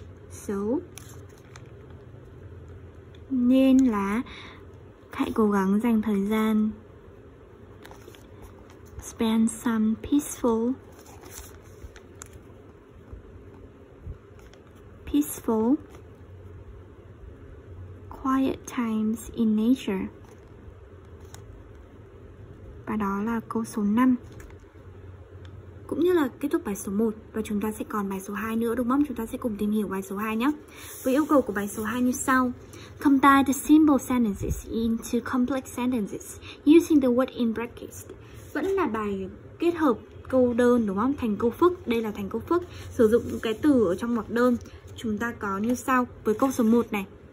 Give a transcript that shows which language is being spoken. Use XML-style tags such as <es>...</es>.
<vi>So nên là hãy cố gắng dành thời gian,</vi> <en>spend some peaceful quiet times in nature.</en> <vi>Và đó là câu số 5. Cũng như là kết thúc bài số 1, và chúng ta sẽ còn bài số 2 nữa đúng không? Chúng ta sẽ cùng tìm hiểu bài số 2 nhé. Với yêu cầu của bài số 2 như sau.</vi> <en>Combine the simple sentences into complex sentences using the word in brackets.</en> <vi>Vẫn là bài kết hợp câu đơn đúng không? Thành câu phức. Đây là thành câu phức. Sử dụng cái từ ở trong ngoặc đơn. Chúng ta có như sau với câu số 1 này.</vi>